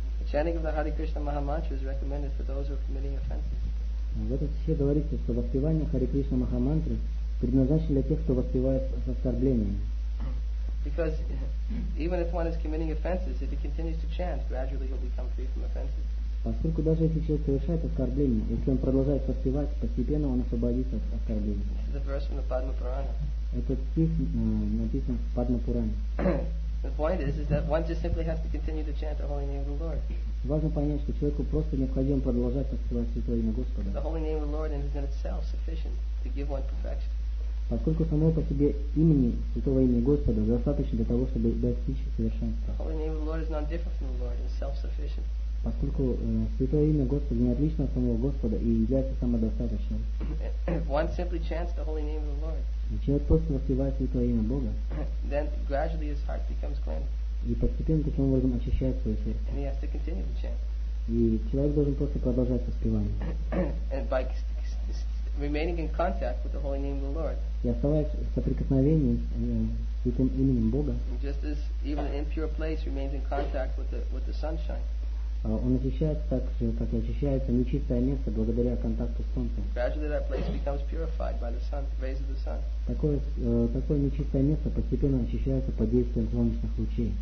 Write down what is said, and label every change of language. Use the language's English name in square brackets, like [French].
[English] Chanting of the Hare Krishna Maha Mantra is recommended for those who are committing offenses. [Russian] В этом стихе говорится, что воспевание Hare Krishna Maha Mantra предназначено для тех, кто воспевает с оскорблением. [English] Because even if one is committing offenses, if he continues to chant, gradually he'll become free from offenses. [Russian] Поскольку даже если человек совершает оскорбление, если он продолжает воспевать, постепенно он освободится от оскорбления. [English] This is a verse from the Padma Purana. [Russian] Этот стих написан в Падма Пуране. [English] The point is that one just simply has to continue to chant the holy name of the Lord. [Russian] Важно понять, что человеку просто необходимо продолжать воспевать святое имя Господа. [English] The holy name of the Lord is in itself sufficient to give one perfection. [Russian] Поскольку само по себе имени святого имени Господа достаточно для того, чтобы достичь совершенства. [English] The holy name of the Lord is not different from the Lord, it's self-sufficient. [Russian] Поскольку святое имя Господа не отлично от самого Господа и является самодостаточным. [English] One simply chants the holy name of the Lord. [Russian] Человек просто воспевает святое имя Бога. [English] Then gradually his heart becomes cleansed. [Russian] И постепенно таким образом очищает свое сердце. [English] And he has to continue to chant. [Russian] И человек должен просто продолжать воспевание. [English] And by remaining in contact with the holy name of the Lord. [Russian] И оставаясь в соприкосновении святым именем Бога. [English] Just as even an impure place remains in contact with the sunshine. [Russian] Он очищается так же, как и очищается нечистое место благодаря контакту с солнцем. [English] Gradually that place becomes purified by the sun, rays of the sun. [Russian] Такое нечистое место постепенно очищается под действием солнечных лучей.